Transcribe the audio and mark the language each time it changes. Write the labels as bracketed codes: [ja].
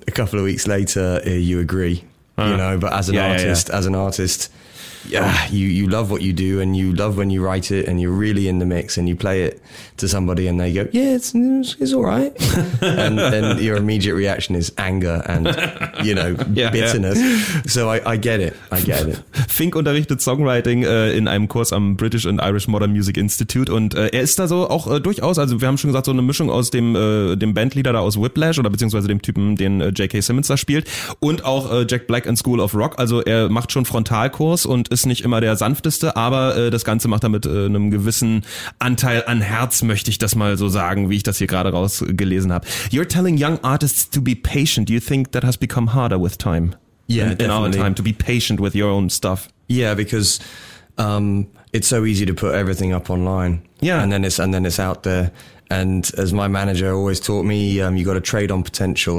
[en] A couple of weeks later, you agree, but as an artist, you love what you do and you love when you write it and you're really in the mix and you play it to somebody and they go, yeah, it's all right. And then your immediate reaction is anger and, bitterness. Yeah. So I get it. [de] Fink unterrichtet Songwriting in einem Kurs am British and Irish Modern Music Institute und er ist da so auch durchaus, also wir haben schon gesagt, so eine Mischung aus dem Bandleader da aus Whiplash oder beziehungsweise dem Typen, den J.K. Simmons da spielt und auch Jack Black in School of Rock. Also er macht schon Frontalkurs und ist nicht immer der sanfteste, aber das Ganze macht er mit einem gewissen Anteil an Herz, möchte ich das mal so sagen, wie ich das hier gerade rausgelesen habe. [en] You're telling young artists to be patient. Do you think that has become harder with time? Yeah, definitely. In our time, to be patient with your own stuff. Yeah, because it's so easy to put everything up online. Yeah. And then it's out there. And as my manager always taught me, you got to trade on potential.